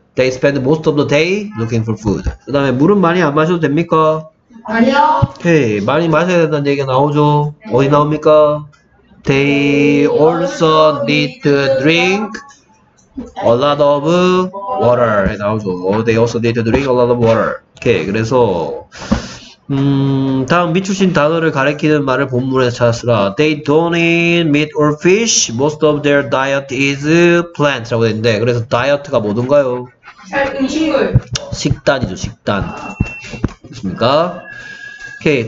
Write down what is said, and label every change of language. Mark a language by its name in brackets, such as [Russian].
[English] They spend most of the day looking for food. [Korean] 그 다음에 물은 많이 안 마셔도 됩니까? 아니요. 오케이. 많이 마셔야 된다는 얘기가 나오죠. 어디 나옵니까? [English] They also need to drink a lot of water. [Korean] 나오죠. [English] They also need to drink a lot of water. [Korean] 오케이. 그래서 다음 미 출신 단어를 가리키는 말을 본문에서 찾았으라. [English] They don't eat meat or fish. Most of their diet is plants. [Korean] 라고 했는데, 그래서 다이어트가 뭐든가요? 음식물. 식단이죠, 식단. 됐습니까? 오케이.